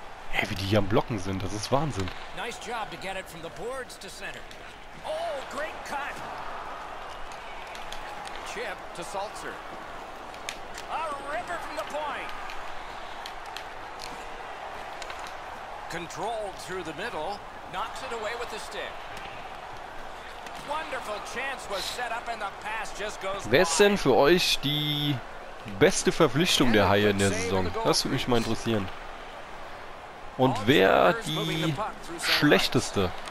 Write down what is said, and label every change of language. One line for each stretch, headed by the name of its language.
German: Hey, wie die hier am Blocken sind, das ist Wahnsinn.
English: Nice job to get it from the boards to center. Oh, great cut. Chip to Salzer. A river from the point. Controlled through the middle, knocks it away with the stick. Wonderful chance was set up and the pass just goes.
German: Wer ist denn für euch die beste Verpflichtung der Haie in der Saison? Das würde mich mal interessieren. Und wer die schlechteste?